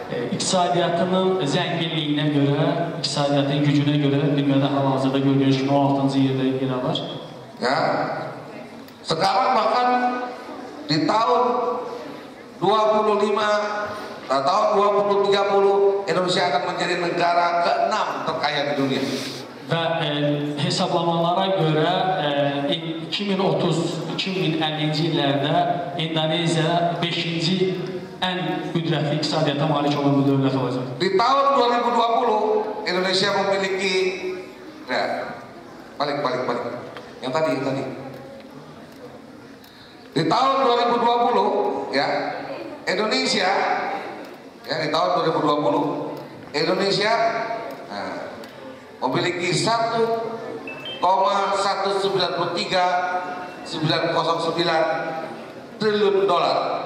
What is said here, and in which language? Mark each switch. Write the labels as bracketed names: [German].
[Azerbaijani] İqtisadiyyatının zənginliyinə görə, iqtisadiyyatın gücünə görə dünyada hal-hazırda gördüyünüz kimi 16. yerdə yer alır. Ya. [Indonesian] Sekarang bahkan di tahun 25 atau tahun 2030 Indonesia akan menjadi negara ke-6 terkaya di dunia. [Azerbaijani] Və hesablamalara görə 2030-2050-ci illərdə İndoneziya 5-ci ən qüdrətli iqtisadiyyata malik olan bir dövlət olacaq. [Indonesian] Di tahun 2020 Indonesia memiliki balik. Yang tadi. Di tahun 2020 ya Indonesia ya di tahun 2020 Indonesia memiliki 1,193,909 triliun dolar.